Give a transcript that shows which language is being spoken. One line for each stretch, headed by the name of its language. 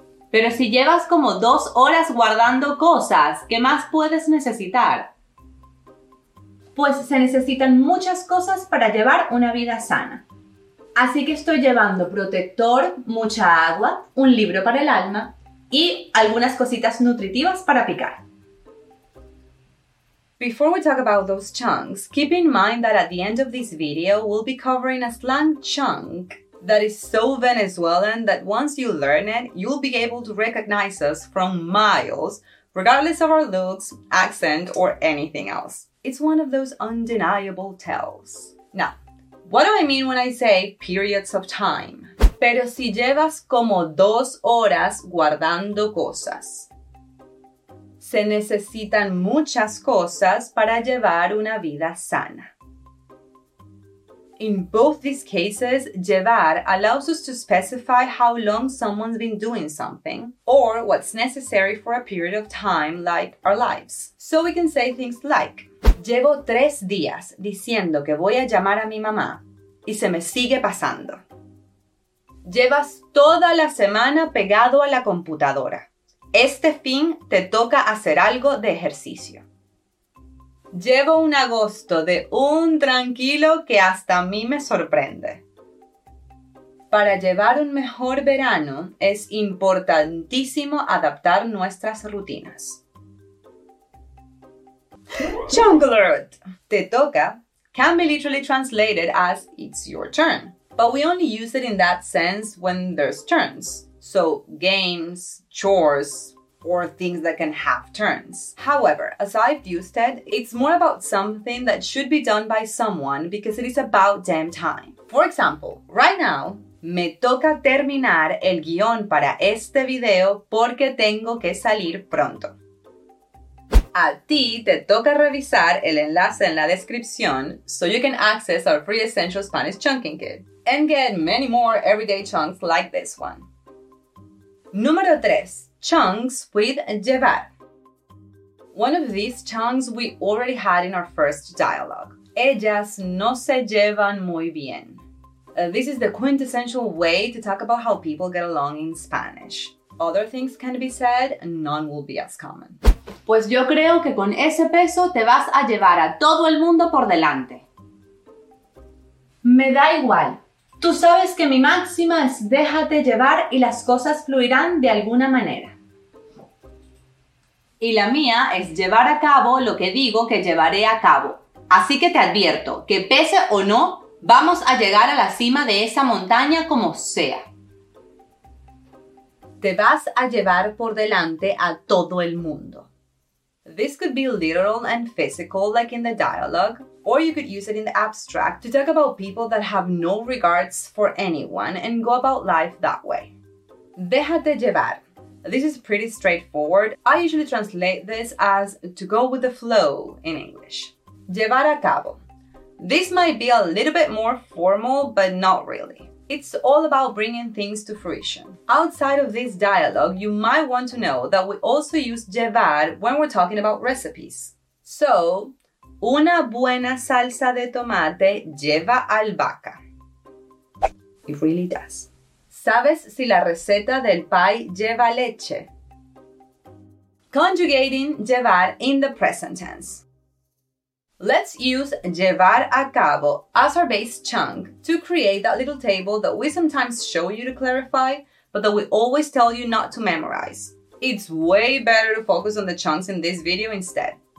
Spanish: Pero si llevas como 2 horas guardando cosas, ¿qué más puedes necesitar? Pues se necesitan muchas cosas para llevar una vida sana. Así que estoy llevando protector, mucha agua, un libro para el alma y algunas cositas nutritivas para picar.
English: Before we talk about those chunks, keep in mind that at the end of this video, we'll be covering a slang chunk that is so Venezuelan that once you learn it, you'll be able to recognize us from miles, regardless of our looks, accent, or anything else. It's one of those undeniable tells. Now, what do I mean when I say periods of time?
Spanish: Pero si llevas como 2 horas guardando cosas. Se necesitan muchas cosas para llevar una vida sana.
English: In both these cases, llevar allows us to specify how long someone's been doing something or what's necessary for a period of time, like our lives. So we can say things like,
Spanish: llevo 3 días diciendo que voy a llamar a mi mamá y se me sigue pasando. Llevas toda la semana pegado a la computadora. Este fin te toca hacer algo de ejercicio. Llevo un agosto de un tranquilo que hasta a mí me sorprende. Para llevar un mejor verano, es importantísimo adaptar nuestras rutinas.
English: Jungle Alert! Te toca can be literally translated as it's your turn. But we only use it in that sense when there's turns. So games, chores, or things that can have turns. However, as I've used it, it's more about something that should be done by someone because it is about damn time. For example, right now,
Spanish: me toca terminar el guión para este video porque tengo que salir pronto. A ti te toca revisar el enlace en la descripción
English: so you can access our free essential Spanish chunking kit and get many more everyday chunks like this one.
Spanish: Número 3.
English: Chunks with llevar. One of these chunks we already had in our first dialogue.
Spanish: Ellas no se llevan muy bien.
English: This is the quintessential way to talk about how people get along in Spanish. Other things can be said, none will be as common.
Spanish: Pues yo creo que con ese peso te vas a llevar a todo el mundo por delante. Me da igual. Tú sabes que mi máxima es déjate llevar y las cosas fluirán de alguna manera. Y la mía es llevar a cabo lo que digo que llevaré a cabo. Así que te advierto que pese o no, vamos a llegar a la cima de esa montaña como sea. Te vas a llevar por delante a todo el mundo.
English: This could be literal and physical, like in the dialogue, or you could use it in the abstract to talk about people that have no regards for anyone and go about life that way.
Spanish: Déjate llevar.
English: This is pretty straightforward. I usually translate this as to go with the flow in English.
Spanish: Llevar a cabo.
English: This might be a little bit more formal, but not really. It's all about bringing things to fruition. Outside of this dialogue, you might want to know that we also use llevar when we're talking about recipes. So,
Spanish: una buena salsa de tomate lleva albahaca.
English: It really does.
Spanish: ¿Sabes si la receta del pie lleva leche?
English: Conjugating llevar in the present tense. Let's use llevar a cabo as our base chunk to create that little table that we sometimes show you to clarify, but that we always tell you not to memorize. It's way better to focus on the chunks in this video instead.